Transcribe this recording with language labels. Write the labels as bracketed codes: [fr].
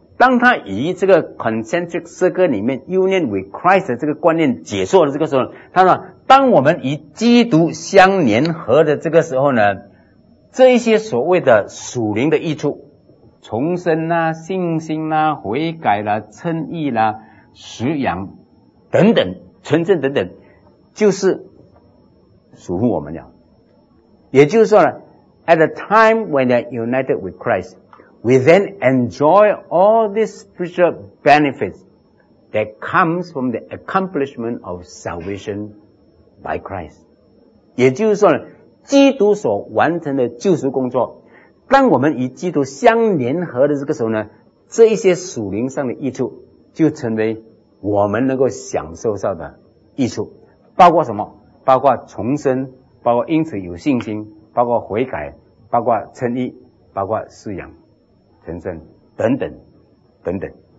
[zh] 当他以这个 concentric circle 里面 [en] union with Christ [zh] 的这个观念解说的这个时候，他说当我们与基督相联合的这个时候呢，这一些所谓的属灵的益处，重生啦、啊、信心啦、啊、悔改啦、啊、称义啦、啊、食养等等、纯正等等，就是属乎我们了。也就是说呢， [en] at the time when they're united with Christ, we then enjoy all these spiritual benefits that comes from the accomplishment of salvation by Christ. [zh] 也就是说呢，基督所完成的救赎工作，当我们与基督相联合的这个时候呢，这一些属灵上的益处就成为我们能够享受到的益处，包括什么？包括重生，包括因此有信心，包括悔改，包括称义，包括饲养成圣等等等等。